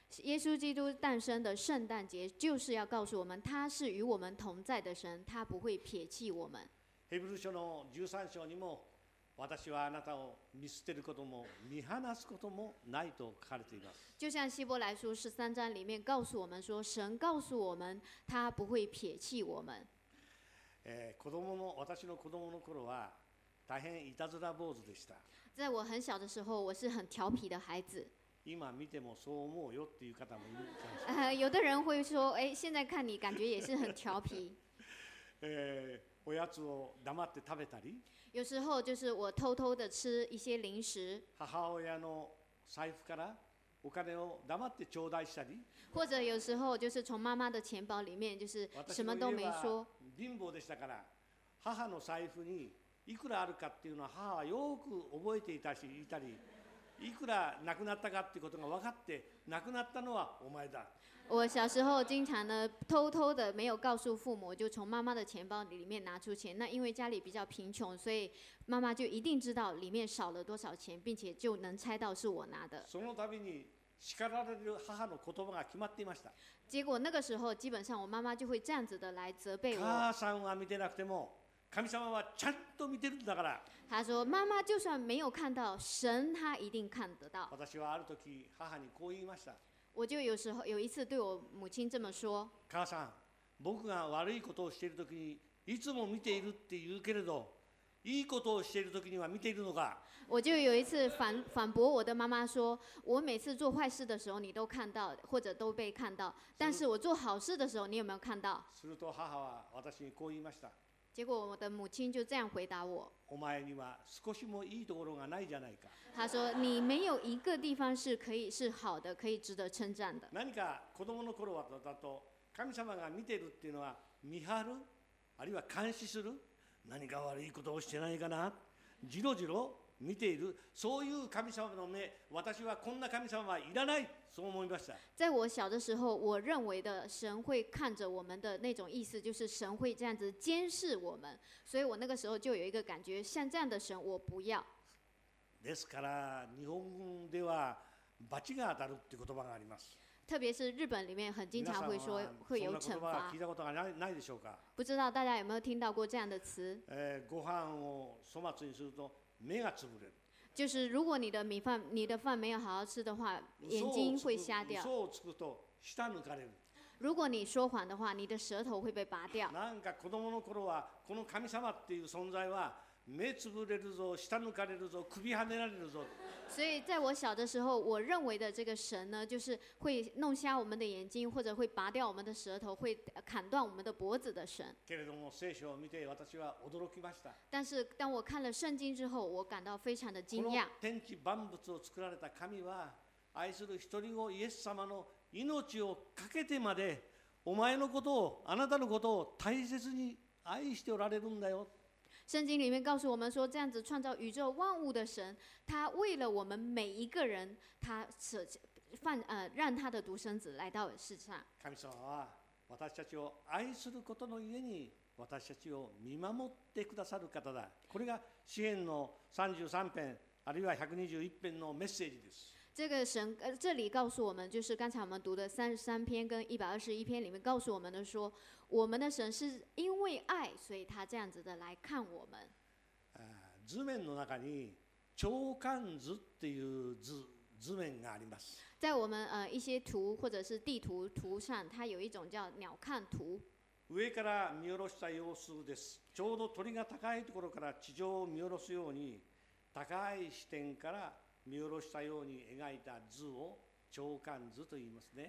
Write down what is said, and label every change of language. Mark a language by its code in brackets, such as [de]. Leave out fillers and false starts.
[zh] 耶稣基督诞生的圣诞节就是要告诉我们，他是与我们同在的神，他不会撇弃我们。 [ja] ヘブル書の十三章にも、私はあなたを見捨てることも見放すこともないと書かれています。 [zh] 就像希伯来书十三章里面告诉我们说，神告诉我们，他不会撇弃我们。 [ja] 子供の私の子供の頃は大変いたずら坊主でした。 [zh] 在我很小的时候，我是很调皮的孩子。 [ja] 今見てもそう思うよっていう方もいるかもしれない。 [zh] 有的人会说，哎，现在看你感觉也是很调皮。 [ja] おやつを黙って食べたり。 [zh] 有时候就是我偷偷的吃一些零食。 [ja] 母親の財布からお金を黙って頂戴したり。 [zh] 或者有时候就是从妈妈的钱包里面就是什么都没说。 [ja] 貧乏でしたから母の財布にいくらあるかっていうのは母はよく覚えていたし、いたり、いくらなくなったかっていうことが分かって、なくなったのはお前だ。 [zh] 我小时候经常呢偷偷的没有告诉父母，就从妈妈的钱包里面拿出钱。那因为家里比较贫穷，所以妈妈就一定知道里面少了多少钱，并且就能猜到是我拿的。 [ja] その度に叱られる母の言葉が決まっていました。 [zh] 结果那个时候基本上我妈妈就会这样子的来责备我。 [ja] 母さんは見てなくても神様はちゃんと見てるんだから。 [zh] 他说妈妈就算没有看到，神他一定看得到。 [ja] 私はある時母にこう言いました。 [zh] 我就 有一次对我母亲这么说。 [ja] 母さん、僕が悪いことをしている時にいつも見ているって言うけれど、いいことをしている時には見ているのか。 [zh] 我就有一次 反驳我的妈妈说，我每次做坏事的时候你都看到，或者都被看到，但是我做好事的时候你有没有看到？ [ja] すると母は私にこう言いました。 [zh] 结果我的母亲就这样回答我。 [ja] お前には少しもいいところがないじゃないか。 [zh] 她说你没有一个地方是可以是好的，可以值得称赞的。 [ja] 何か子供の頃だと神様が見てるっていうのは見張る、あるいは監視する、何か悪いことをしてないかな、じろじろ見ている、そういう神様の目、私はこんな神様はいらない、そう思いました。 [zh] 在我小的时候，我认为的神会看着我们的那种意思，就是神会这样子监视我们，所以我那个时候就有一个感觉，像这样的神我不要。 [ja] ですから日本語では罰が当たるって言葉があります。 [zh] 特别是日本里面很经常会说会有惩罚。 [ja] 皆さんは聞いたことがないでしょうか。 [zh] 不知道大家有没有听到过这样的词？ [ja] ご飯を粗末にすると。目がつぶれる。 [zh] 就是如果你的饭没有好好吃的话，眼睛会瞎掉。 [ja] 嘘をつくと舌抜かれる。 [zh] 如果你说谎的话，你的舌头会被拔掉。 [ja] なんか子供の頃はこの神様っていう存在は目つぶれるぞ、舌抜かれるぞ、首はねられるぞ。 [zh] 所以在我小的时候，我认为的这个神呢，就是会弄瞎我们的眼睛，或者会拔掉我们的舌头，会砍断我们的脖子的神。 [ja] けれども聖書を見て私は驚きました。 [zh] 但是当我看了圣经之后，我感到非常的惊讶。 [ja] この天地万物を作られた神は愛する一人をイエス様の命をかけてまでお前のことを、あなたのことを大切に愛しておられるんだよ。 [zh] 圣经里面告诉我们说，这样子创造宇宙万物的神，他为了我们每一个人，他舍放让他的独生子来到世上。 [ja] 神様は私たちを愛することのゆえに私たちを見守ってくださる方だ。これが詩篇の33篇あるいは121篇のメッセージです。 [zh] 这个神这里告诉我们，就是刚才我们读的33篇跟121篇里面告诉我们的说，我们的神是因为爱，所以他这样子的来看我们。 [ja] 図面の中に鳥瞰図っていう 図面があります。 [zh] 在我们一些图或者是地图图上，它有一种叫鸟瞰图。 [ja] 上から見下ろした様子です。ちょうど鳥が高いところから地上を見下ろすように、高い視点から見下ろしたように描いた図を鳥瞰図と言いますね。